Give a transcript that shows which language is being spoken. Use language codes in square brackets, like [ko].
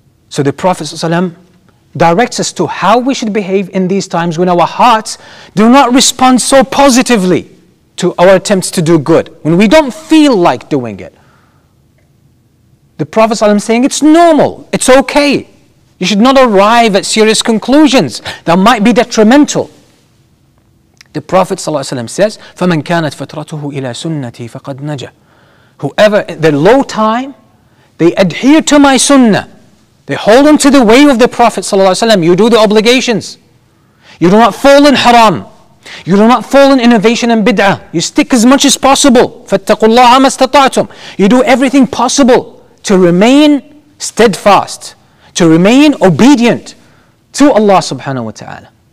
[en] So the Prophet ﷺ directs us to how we should behave in these times when our hearts do not respond so positively to our attempts to do good, when we don't feel like doing it. The Prophet ﷺ is saying it's normal, it's okay. You should not arrive at serious conclusions that might be detrimental. The Prophet ﷺ says, [ar] فَمَنْ كَانَتْ فَتْرَتُهُ إِلَىٰ سُنَّةِ فَقَدْ نَجَى. [en] Whoever, the low time, they adhere to my sunnah. They hold on to the way of the Prophet ﷺ. You do the obligations. You do not fall in haram. You do not fall in innovation and bid'ah. You stick as much as possible. [ar] فَاتَّقُوا اللَّهَ مَا اسْتَطَعْتُمْ. [en] You do everything possible to remain steadfast, to remain obedient to Allah subhanahu wa ta'ala.